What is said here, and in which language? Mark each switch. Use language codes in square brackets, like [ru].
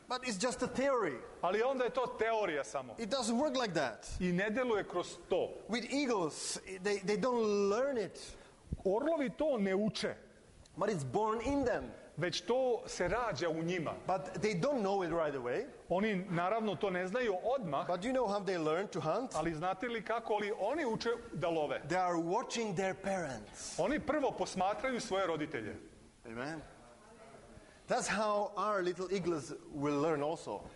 [en] But it's just a theory. [sr] Ali onda je to teorija samo. [en] It doesn't work like that. [sr] I ne deluje kroz to. [en] With eagles, they don't learn it. [sr] Orlovi to ne uče. [en] But it's born in them. [sr] Već to se rađa u njima. [en] But they don't know it right away. [sr] Oni naravno to ne znaju odmah. [en] But you know how they learn to hunt? [sr] Ali znate li kako li oni uče da love? [en] They are watching their parents. [sr] Oni prvo posmatraju svoje roditelje. [en] Amen. That's how our little eagles will learn also.